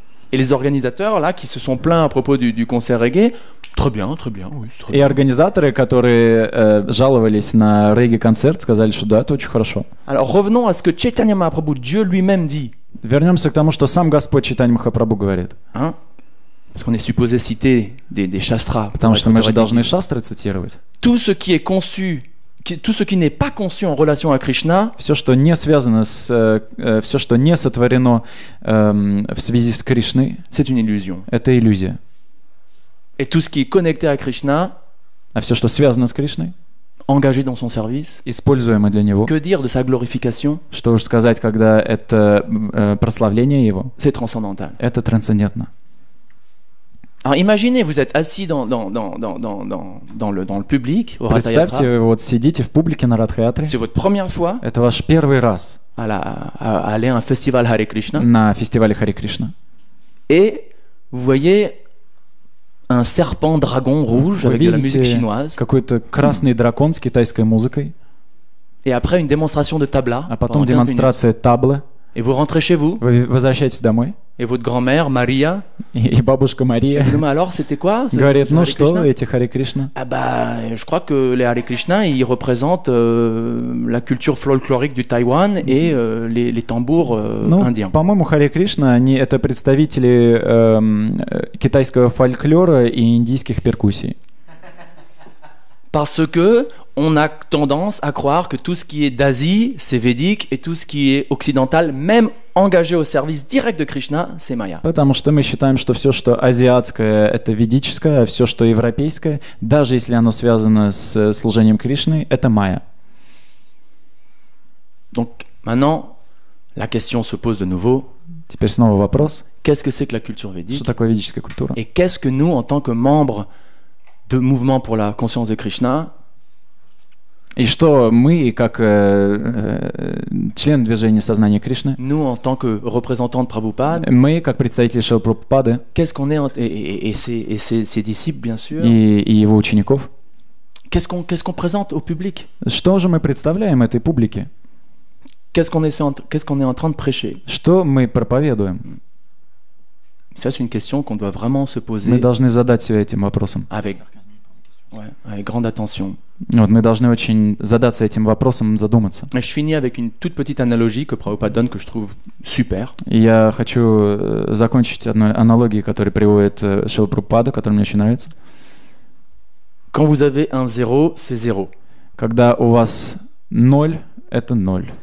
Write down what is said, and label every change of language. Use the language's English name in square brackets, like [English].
[French] Et les organisateurs là qui se sont plaints à propos du concert reggae. Très bien, très bien. Oui, très bien. [Russian] И организаторы, которые жаловались на регги-концерт, сказали, что да, это очень хорошо. [French] Alors, revenons à ce que Chaitanya Mahaprabhu, Dieu lui-même dit. [Russian] Вернемся к тому, что сам Господь Чайтанья Махапрабху говорит. [French] Hein? Parce qu'on est supposé citer des шастра. [Russian] Потому что мы же должны шастры цитировать. [French] Tout ce qui est conçu, tout ce qui n'est pas conçu en relation à Krishna. [Russian] Все, что не связано с, все, что не сотворено в связи с Кришной. [French] C'est une illusion. [Russian] Это иллюзия. [French] Et tout ce qui est connecté à Krishna, [Russian] а все, что связано с Кришной, [French] engagé dans son service, [Russian] используемое для него, [French] que dire de sa glorification, [Russian] что уж сказать, когда это прославление его, [French] c'est transcendantal. [Russian] Это трансцендентно. [French] Alors imaginez, vous êtes assis dans le public, au Ratha-yatra. [Russian] Представьте, вот сидите в публике на Ратха-ятре. [French] C'est votre première fois. [Russian] Это ваш первый раз. [French] Aller à un festival Hare Krishna. [Russian] На фестивале Hare Krishna. [French] Et vous voyez un serpent dragon rouge [Russian] Вы [French] avec de la musique chinoise. [Russian] Какой-то красный дракон с китайской музыкой. [French] Et après une démonstration de tabla. [Russian] А потом демонстрация таблы. [French] Et vous rentrez chez vous. [Russian] Вы возвращаетесь домой. [French] Et votre grand-mère Maria. [Russian] И бабушка Мария. [French] Et vous, alors c'était quoi? [Russian] Говорит, ну что, эти Hare Krishna? [French] Ah bah, je crois que les Hare Krishna, ils représentent la culture folklorique du Taïwan et les tambours indiens. [Russian] Ну, по-моему, Hare Krishna, они это представители китайского фольклора и индийских перкуссий. [French] Parce que on a tendance à croire que tout ce qui est d'Asie, c'est védique, et tout ce qui est occidental, même engagé au service direct de Krishna, c'est Maya. [Russian] Потому что мы считаем, что все, что азиатское, это ведическое, а все, что европейское, даже если оно связано с служением Кришны, это Майя. [French] Donc maintenant, la question se pose de nouveau. [Russian] Теперь снова вопрос. [French] Qu'est-ce que c'est que la culture védique? [Russian] Что такое ведическая культура? [French] Et qu'est-ce que nous, en tant que membres de mouvement pour la conscience de Krishna. [Russian] И что мы, как член движения сознания Кришны, [French] nous, en tant que représentants de Prabhupada, [Russian] мы, как представители Шрилы Прабхупады, [French] qu'est-ce qu'on est, et ses disciples, bien sûr, [Russian] и его учеников, [French] qu'est-ce qu'on présente au public? [Russian] Что же мы представляем этой публике? [French] Qu'est-ce qu'on est en train de prêcher? [Russian] Что мы проповедуем? [French] Ça, c'est une question qu'on doit vraiment se poser. [Russian] Мы должны задать себе этим вопросом. [French] Avec grande attention. [Russian] Вот мы должны очень задаться этим вопросом, задуматься. [French] Et je finis avec une toute petite analogie que Prabhupada donne que je trouve super. [Russian] И я хочу закончить одной аналогией, которую приводит Шрила Прабхупада, которая мне очень нравится. [French] Quand vous avez un zéro, c'est zéro. [Russian] Когда у вас ноль, это ноль.